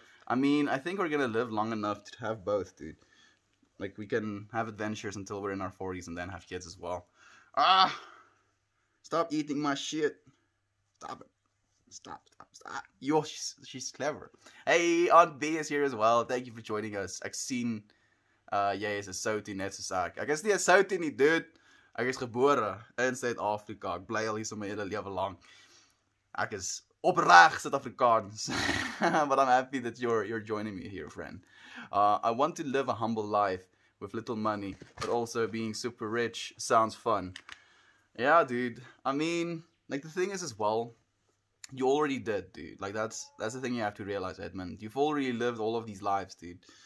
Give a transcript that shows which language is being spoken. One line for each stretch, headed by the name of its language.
English: I mean, I think we're gonna live long enough to have both, dude. Like we can have adventures until we're in our 40s and then have kids as well. Ah! Stop eating my shit. Stop it. Stop, stop, stop. Yo, she's clever. Hey, Aunt B is here as well. Thank you for joining us.
Afrikaans: Ek sien jy is 'n soutie net soos ek. Ek is nie 'n soutie nie, dude. Ek is gebore in Suid-Afrika. Ek bly al hier so my hele lewe lank. Ek is opreg Suid-Afrikaans.
English: But I'm happy that you're joining me here, friend. I want to live a humble life with little money, but also being super rich sounds fun. Yeah, dude. I mean, like the thing is as well, you already did, dude. Like that's the thing you have to realize, Edmund. You've already lived all of these lives, dude.